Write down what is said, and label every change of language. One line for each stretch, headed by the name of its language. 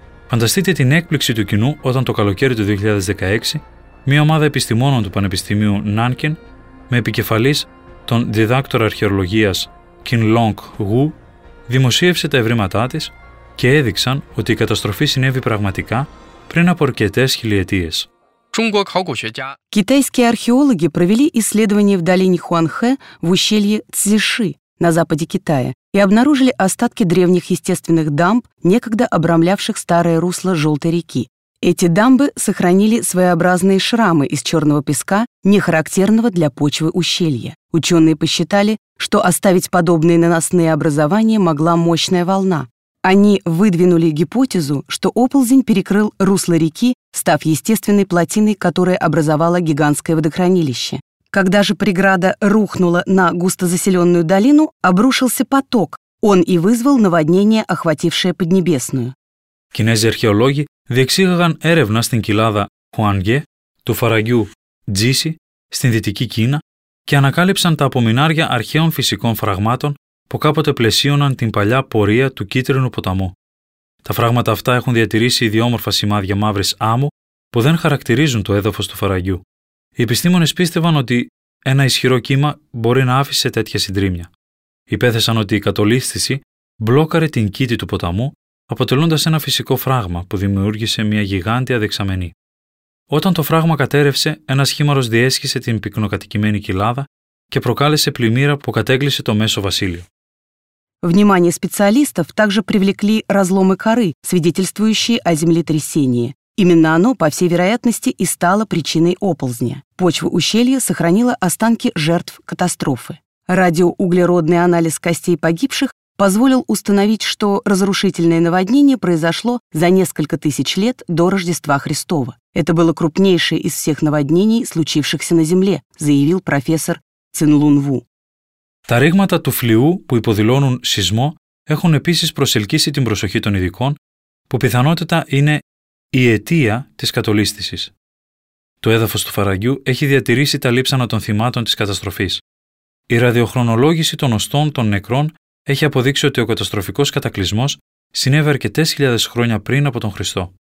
Greek: Φανταστείτε την έκπληξη του κοινού όταν το καλοκαίρι του 2016 μια ομάδα επιστημόνων του Πανεπιστημίου Νάνκιν, με επικεφαλής τον διδάκτορα αρχαιολογίας Κινλόγκ Γου, δημοσίευσε τα ευρήματά της και έδειξαν ότι η καταστροφή συνέβη πραγματικά πριν από αρκετές χιλιετίες.
Russian: Китайские археологи провели исследование в долине Хуанхэ в ущелье Цзиши на западе Китая и обнаружили остатки древних естественных дамб, некогда обрамлявших старое русло Желтой реки. Эти дамбы сохранили своеобразные шрамы из черного песка, не характерного для почвы ущелья. Ученые посчитали, что оставить подобные наносные образования могла мощная волна. Они выдвинули гипотезу, что оползень перекрыл русло реки, став естественной плотиной, которая образовала гигантское водохранилище. Когда же преграда рухнула на густозаселенную долину, обрушился поток. Он и вызвал наводнение, охватившее Поднебесную. Кинезийские археологи
Greek: διεξήγαγαν έρευνα στην κοιλάδα Χουάνγκε του φαραγγιού Τζίσι στην δυτική Κίνα και ανακάλυψαν τα απομεινάρια αρχαίων φυσικών φραγμάτων που κάποτε πλαισίωναν την παλιά πορεία του Κίτρινου ποταμού. Τα φράγματα αυτά έχουν διατηρήσει ιδιόμορφα σημάδια μαύρης άμμου που δεν χαρακτηρίζουν το έδαφος του φαραγγιού. Οι επιστήμονες πίστευαν ότι ένα ισχυρό κύμα μπορεί να άφησε τέτοια συντρίμμια. Υπέθεσαν ότι η κατολίσθηση μπλόκαρε την κήτη του ποταμού, αποτελώντας ένα φυσικό φράγμα που δημιούργησε μια γιγάντια δεξαμενή. Όταν το φράγμα κατέρευσε, ένας χήμαρος διέσχισε την πυκνοκατοικημένη κοιλάδα και προκάλεσε πλημμύρα που κατέκλυσε το Μέσο Βασίλειο.
Russian: Внимание специалистов также привлекли разломы коры, свидетельствующие о землетрясении. Именно оно, по всей вероятности, и стало причиной оползня. Почва ущелья сохранила останки жертв катастрофы. Радиоуглеродный анализ костей погибших позволил установить, что разрушительное наводнение произошло за несколько тысяч лет до Рождества Христова. Это было крупнейшее из всех наводнений, случившихся на Земле, заявил профессор Цинлун Ву.
Greek: Τα ρήγματα του φλοιού που υποδηλώνουν σεισμό έχουν επίσης προσελκύσει την προσοχή των ειδικών, που πιθανότητα είναι η αιτία της κατολίσθησης. Το έδαφος του φαραγγιού έχει διατηρήσει τα λείψανα των θυμάτων της καταστροφής. Η ραδιοχρονολόγηση των οστών των νεκρών έχει αποδείξει ότι ο καταστροφικός κατακλυσμός συνέβη αρκετές χιλιάδες χρόνια πριν από τον Χριστό.